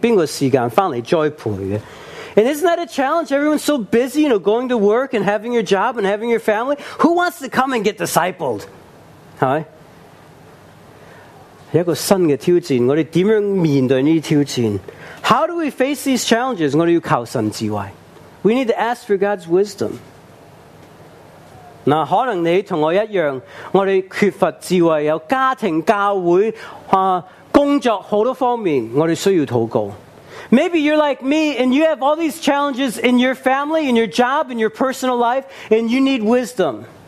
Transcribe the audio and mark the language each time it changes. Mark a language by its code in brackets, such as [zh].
[yue] 是不是一个挑战？大家这么忙，上班、放工、有家庭，哪个时间回来栽培的？ [en] And isn't that a challenge? Everyone's so busy, you know, going to work and having your job and having your family. Who wants to come and get discipled? [yue] 是不是一个新的挑战？我们怎么面对这些挑战？ [en] How do we face these challenges? [yue] 我们要靠神智慧。 [en] We need to ask for God's wisdom. [yue] 可能你和我一样，我们缺乏智慧，有家庭、教会、工作很多方面，我们需要祷告。 [en] Maybe you're like me, and you have all these challenges in your family, in your job, in your personal life, and you need wisdom.